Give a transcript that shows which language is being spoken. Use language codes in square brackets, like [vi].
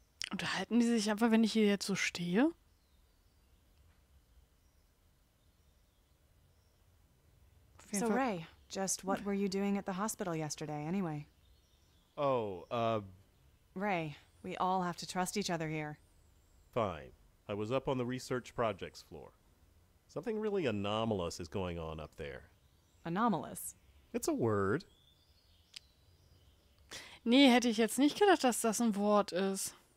[de] Unterhalten die sich einfach, wenn ich hier jetzt so stehe? [en] So Ray, just what were you doing at the hospital yesterday, anyway? Oh, Ray, we all have to trust each other here. Fine. I was up on the research projects floor. Something really anomalous is going on up there. Anomalous? It's a word. [de] Nee, hätte ich jetzt nicht gedacht, dass das ein Wort ist.